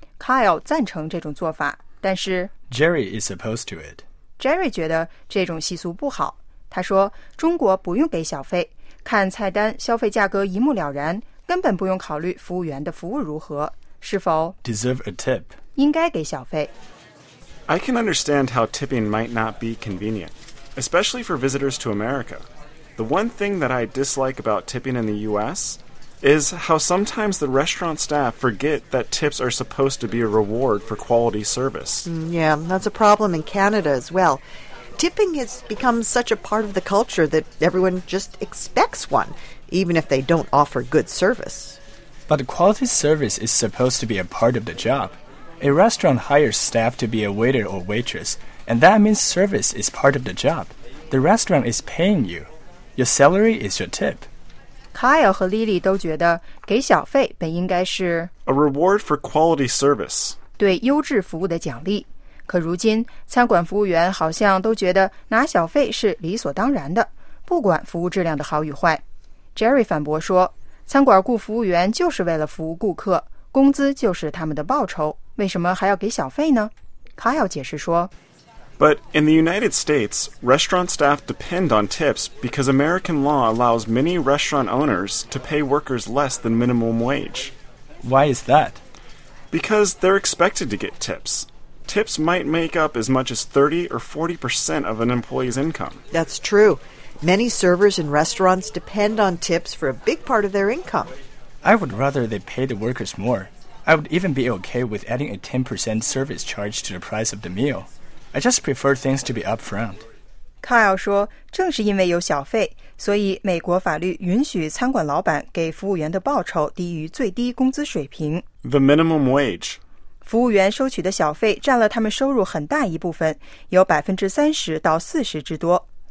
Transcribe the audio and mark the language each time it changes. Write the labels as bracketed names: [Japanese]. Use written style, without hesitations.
[Chinese] Kyle 赞成这种做法,但是 [English] Jerry is opposed to it. [Chinese] Jerry 觉得这种习俗不好。他说中国不用给小费。看菜单消费价格一目了然根本不用考虑服务员的服务如何是否 [English] deserve a tip [Chinese] 应该给小费 [English] I can understand how tipping might not be convenient especially for visitors to America The one thing that I dislike about tipping in the US is how sometimes the restaurant staff forget that tips are supposed to be a reward for quality service Yeah, that's a problem in Canada as wellTipping has become such a part of the culture that everyone just expects one, even if they don't offer good service. But quality service is supposed to be a part of the job. A restaurant hires staff to be a waiter or waitress, and that means service is part of the job. The restaurant is paying you. Your salary is your tip. [Chinese] Kyle 和 Lily 都觉得给小费本应该是 [English] a reward for quality service. [Chinese] 对优质服务的奖励。可如今餐馆服务员好像都觉得拿小费是理所当然的不管服务质量的好与坏 Jerry 反驳说餐馆雇服务员就是为了服务顾客工资就是他们的报酬为什么还要给小费呢 Kyle 解释说 [English] But in the United States restaurant staff depend on tips because American law allows many restaurant owners to pay workers less than minimum wage Why is that? Because they're expected to get tipsTips might make up as much as 30 or 40% of an employee's income. That's true. Many servers in restaurants depend on tips for a big part of their income. I would rather they pay the workers more. I would even be okay with adding a 10% service charge to the price of the meal. I just prefer things to be upfront. [Chinese] Kyle 说正是因为有小费所以美国法律允许餐馆老板给服务员的报酬低于最低工资水平。 [English] The minimum wage. [Chinese] 服务员收取的小费占了他们收入很大一部分，有30%到40%之多。